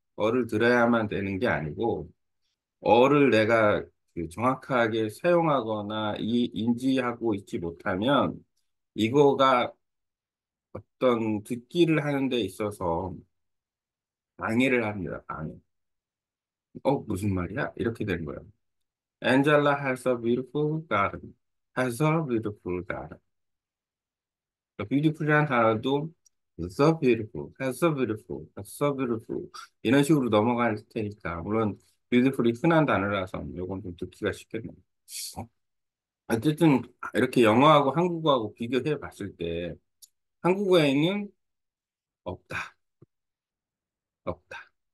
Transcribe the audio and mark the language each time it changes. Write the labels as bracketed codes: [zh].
[ko] 어를 들어야만 되는 게 아니고 어를 내가 그 정확하게 사용하거나 이 인지하고 있지 못하면 이거가 어떤 듣기를 하는 데 있어서 방해를 합니다. 방해. 무슨 말이야? 이렇게 된 거예요. [en] Angela has a beautiful garden. Has a beautiful garden. [ko] Beautiful이라는 단어도 [en] so beautiful, has a beautiful, has a beautiful [ko] 이런 식으로 넘어갈 테니까 물론 beautiful이 흔한 단어라서 이건 좀 듣기가 쉽겠네요. 어쨌든 이렇게 영어하고 한국어하고 비교해 봤을 때 한국어에는 없다. 없다.